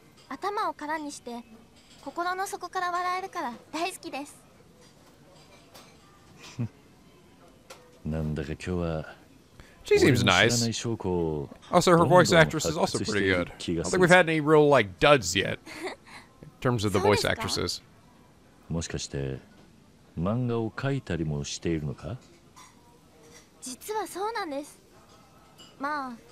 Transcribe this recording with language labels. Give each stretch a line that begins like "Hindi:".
Japanese: 頭を空にして、心の底から笑えるから大好きです。なんだか今日は...
English: She seems nice. Also, her voice actress is also pretty good. I don't think we've had any real, like, duds yet. In terms of the voice actresses.
Japanese: もしかして、漫画を描いたりもしているのか? 実はそうなんです。まあ...